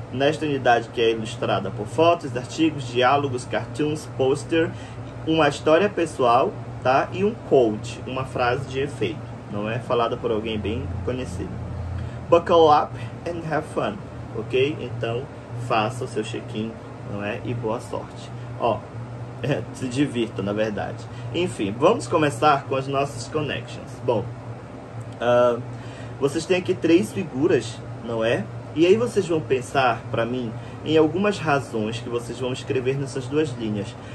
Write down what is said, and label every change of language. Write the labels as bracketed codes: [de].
[pt] Nesta unidade, que é ilustrada por fotos, artigos, diálogos, cartoons, poster, uma história pessoal, tá? E um quote, uma frase de efeito, não é? Falada por alguém bem conhecido. [en] Buckle up and have fun, ok? [pt] Então, faça o seu check-in, não é? E boa sorte. Ó, se divirta, na verdade. Enfim, vamos começar com as nossas connections. Bom, vocês têm aqui três figuras, não é? E aí vocês vão pensar, para mim, em algumas razões que vocês vão escrever nessas duas linhas.